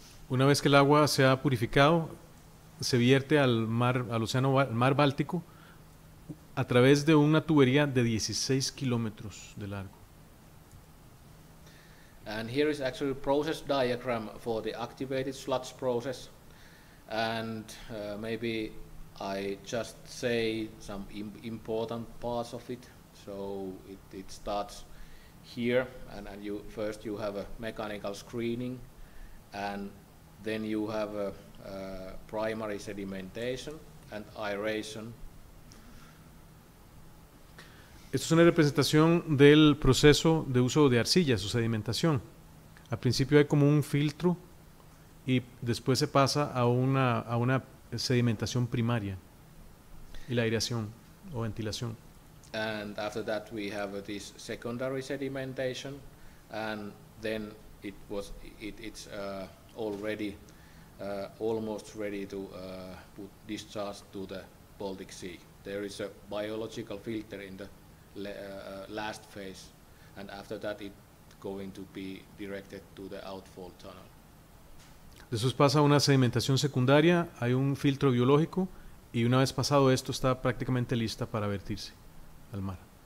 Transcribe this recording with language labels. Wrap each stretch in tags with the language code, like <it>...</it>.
<es>Una vez que el agua se ha purificado, se vierte al mar Báltico a través de una tubería de 16 kilómetros de largo.</es> <en>And here is actually a process diagram for the activated sludge process. And maybe I just say some important parts of it. So it starts here, and you first you have a mechanical screening, and then you have a primary sedimentation and aeration.</en> <es>Esto es una representación del proceso de uso de arcilla, su sedimentación. Al principio hay como un filtro y después se pasa a una sedimentación primaria y la aireación o ventilación.</es> <en>And after that we have this secondary sedimentation, and then it's already almost ready to put discharge to the Baltic Sea. There is a biological filter in the last phase, and after that it going to be directed to the outfall tunnel.</en> <es>Después pasa una sedimentación secundaria, hay un filtro biológico, y una vez pasado esto está prácticamente lista para vertirse al mar.</es>